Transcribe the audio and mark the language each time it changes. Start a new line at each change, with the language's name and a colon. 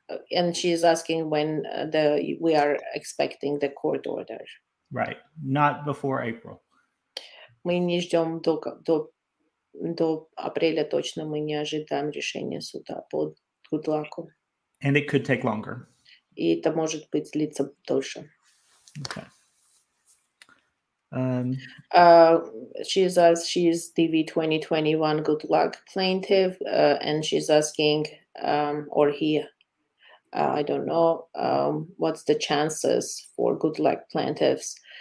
English: And she is asking when we are expecting the court order. Right. Not before April.
Russian: Мы не ждём до апреля точно, мы не ожидаем решения суда по Good Luck.
English: And it could take longer.
Russian: И это может быть длиться дольше.
English: Okay. She's DV 2021 Good Luck plaintiff, and she's asking, what's the chances for Good Luck plaintiffs?